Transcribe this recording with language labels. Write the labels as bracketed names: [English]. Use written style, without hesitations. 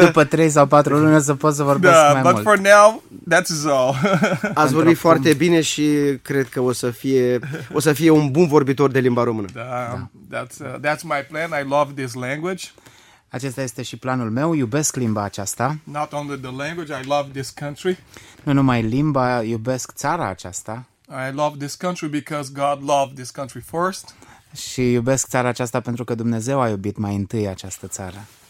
[Romanian] După 3 sau 4 luni o să pot să vorbesc mai mult. [English] But for now, that's all. [Romanian] Ați vorbit foarte bine și cred că o să fie un bun vorbitor de limba română. [English] Da. That's my plan. I love this language. [Romanian] Acesta este și planul meu. Iubesc limba aceasta. [English] Not only the language, I love this country. [Romanian] Nu numai limba, iubesc țara aceasta. [English] I love this country because God loved this country first. [Romanian] Și iubesc țara aceasta pentru că Dumnezeu a iubit mai întâi această țară.